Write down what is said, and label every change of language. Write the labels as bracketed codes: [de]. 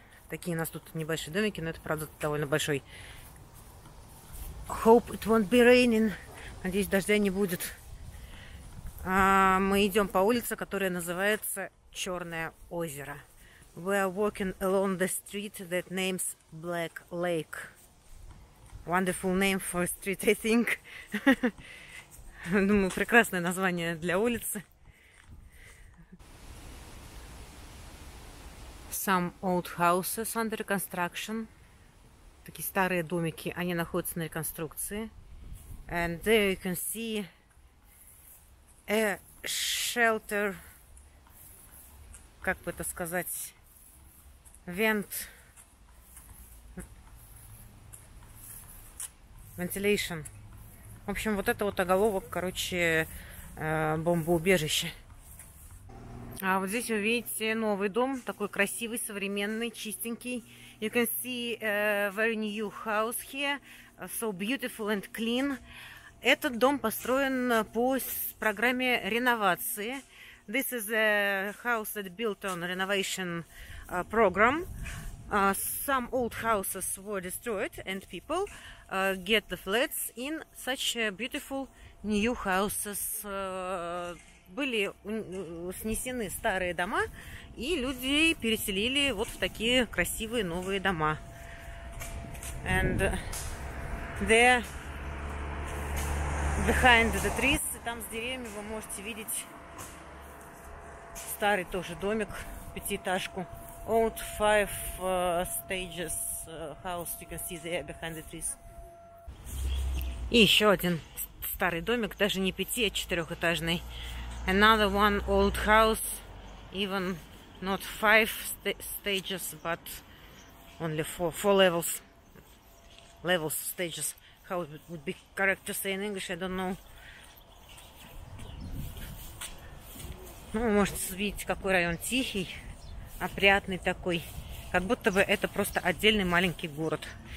[ru] Такие у нас тут небольшие домики, но это правда довольно большой. [en] Hope it won't be raining. [ru] Надеюсь, дождя не будет. Мы идем по улице, которая называется Черное озеро. [en] We are walking along the street that names Black Lake. Wonderful name for a street, I think. [ru] Думаю, прекрасное название для улицы. [en] Some old houses under construction. [ru] Такие старые домики, они находятся на реконструкции. [en] And there you can see a shelter. [ru] Как бы это сказать? [en] Vent. Ventilation. [ru] В общем, вот это вот оголовок, короче, бомбоубежище. А вот здесь вы видите новый дом, такой красивый, современный, чистенький. [en] You can see a very new house here, so beautiful and clean. [ru] Этот дом построен по программе реновации. [en] This is a house that built on renovation program. Some old houses were destroyed and people get the flats in such beautiful new houses. [ru] Были снесены старые дома, и люди переселили вот в такие красивые новые дома. [en] And there, behind the trees, [ru] там с деревьями вы можете видеть старый тоже домик, пятиэтажку. [en] Old five stages house, you can see there behind the trees. [ru] И еще один старый домик, даже не пяти, а четырехэтажный. [en] Another one old house, even not five stages, but only four levels. Levels, stages, how it would be correct to say in English, I don't know. [ru] Ну, вы можете видеть, какой район тихий, опрятный такой, как будто бы это просто отдельный маленький город.